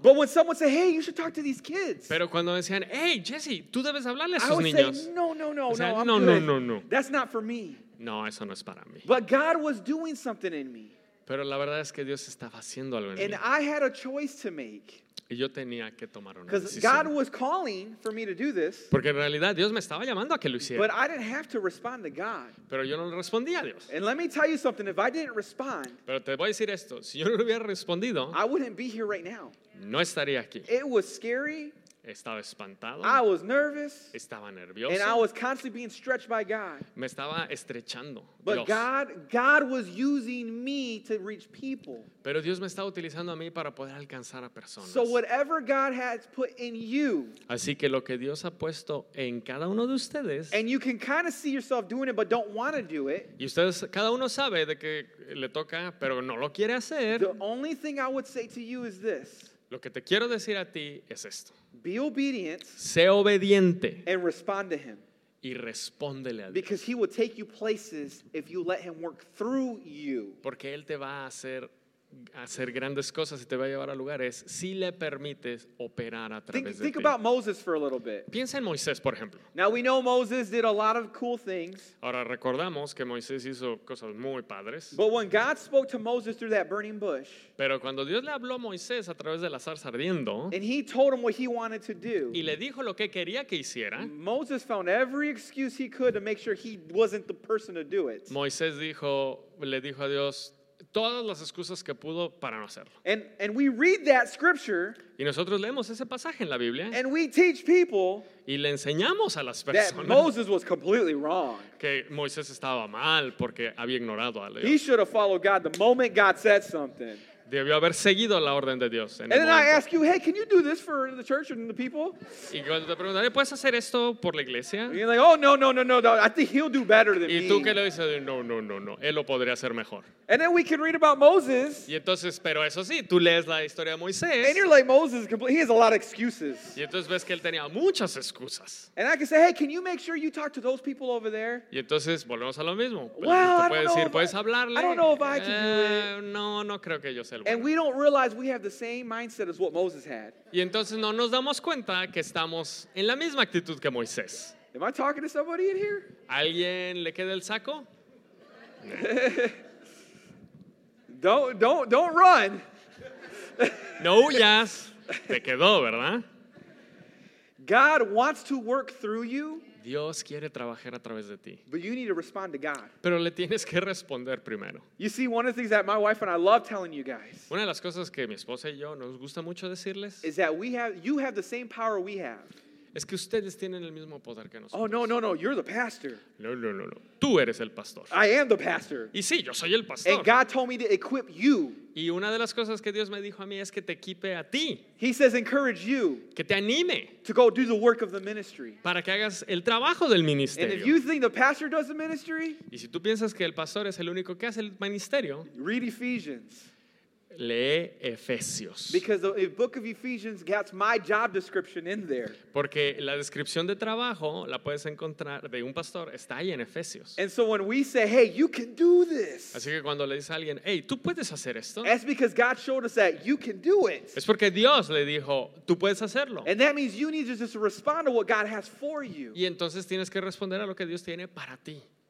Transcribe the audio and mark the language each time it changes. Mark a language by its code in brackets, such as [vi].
[en] But when someone said, "Hey, you should talk to these kids." [es] Pero cuando decían, "Hey, Jesse, tú debes hablarle a esos niños." [en] I would say, "No, no, no, no, I'm good. That's not for me." [es] No, eso no es para mí. [en] But God was doing something in me. [es] Pero la verdad es que Dios estaba haciendo algo en mí. [en] And I had a choice to make. [es] Y yo tenía que tomar una decisión. [en] God was calling for me to do this. [es] Porque en realidad Dios me estaba llamando a que lo hiciera. [en] But I didn't have to respond to God. [es] Pero yo no respondía a Dios. [en] And let me tell you something, if I didn't respond, [es] pero te voy a decir esto, si yo no hubiera respondido, [en] I wouldn't be here right now. [es] No estaría aquí. [en] It was scary. [es] Estaba espantado. [en] I was nervous. [es] Estaba nervioso. [en] And I was constantly being stretched by God. [es] Me estaba estrechando. [en] But [es] Dios. [en] God was using me to reach people. [es] Pero Dios me estaba utilizando a mí para poder alcanzar a personas. [en] So whatever God has put in you. [es] Así que lo que Dios ha puesto en cada uno de ustedes. [en] And you can kind of see yourself doing it, but don't want to do it. [es] Y ustedes, cada uno sabe de que le toca, pero no lo quiere hacer. [en] The only thing I would say to you is this. [es] Lo que te quiero decir a ti es esto. [en] Be obedient. [es] Sé obediente. [en] And respond to him. [es] Y respóndele a Dios. [en] Because he will take you places if you let him work through you. [es] Porque él te va a hacer grandes cosas y te va a llevar a lugares si le permites operar a través de ti. [en] Think about Moses for a little bit. [es] Piensa en Moisés, por ejemplo. [en] Now we know Moses did a lot of cool things. [es] Ahora recordamos que Moisés hizo cosas muy padres. [en] But when God spoke to Moses through that burning bush. [es] Pero cuando Dios le habló a Moisés a través de la zarza ardiendo. [en] And he told him what he wanted to do. [es] Y le dijo lo que quería que hiciera. [en] Moses found every excuse he could to make sure he wasn't the person to do it. [es] Moisés le dijo a Dios todas las excusas que pudo para no hacerlo. [en] And we read that scripture. [es] Y nosotros leemos ese pasaje en la Biblia. [en] And we teach people. [es] Y le enseñamos a las personas. [en] That Moses was completely wrong. [es] Que Moisés estaba mal porque había ignorado a Dios. [en] He should have followed God the moment God said something. [es] Debió haber seguido la orden de Dios. [en] And then I ask you, hey, can you do this for the church and the people? [es] Y cuando te preguntan, ¿puedes hacer esto por la iglesia? [en] And you're like, oh, no, I think he'll do better than [es] ¿y tú [en] me. [es] Qué le dices? No, él lo podría hacer mejor. [en] And then we can read about Moses. [es] Y entonces, pero eso sí, tú lees la historia de Moisés. [en] And you're like, Moses, he has a lot of excuses. [es] Y entonces ves que él tenía muchas excusas. [en] And I can say, hey, can you make sure you talk to those people over there? [es] Y entonces volvemos a lo mismo. [en] Well, [es] tú puedes decir, ¿puedes hablarle? [en] I don't know if I can do it. [es] No creo que yo sea. [en] And we don't realize we have the same mindset as what Moses had. [es] Y entonces no nos damos cuenta que estamos en la misma actitud que Moisés. [en] Am I talking to somebody in here? [es] ¿Alguien le queda el saco? [en] don't run. [es] No huyas. Te quedó, ¿verdad? [en] God wants to work through you. [es] Dios quiere trabajar a través de ti. [en] But you need to respond to God. [es] Pero le tienes que responder primero. [en] You see, one of the things that my wife and I love telling you guys. [es] Una de las cosas que mi esposa y yo nos gusta mucho decirles. [en] Is that you have the same power we have. [es] Es que ustedes tienen el mismo poder que nosotros. [en] Oh, no, you're the pastor. [es] No. Tú eres el pastor. [en] I am the pastor. [es] Y sí, yo soy el pastor. [en] And God told me to equip you. [es] Y una de las cosas que Dios me dijo a mí es que te equipe a ti. [en] He says encourage you. [es] Que te anime. [en] To go do the work of the ministry. [es] Para que hagas el trabajo del ministerio. [en] And if you think the pastor does the ministry. [es] Y si tú piensas que el pastor es el único que hace el ministerio. [en] Read Ephesians. [es] Lee Efesios. [en] Because the book of Ephesians gets my job description in there. [es] Porque la descripción de trabajo la puedes encontrar de un pastor está ahí en Efesios. [en] And so when we say, hey, you can do this. [es] Así que cuando le dice a alguien, hey, tú puedes hacer esto. [en] That's because God showed us that you can do it. [es] Es porque Dios le dijo, tú puedes hacerlo. [en] And that means you need to just respond to what God has for you. [es] Y entonces tienes que responder a lo que Dios tiene para ti.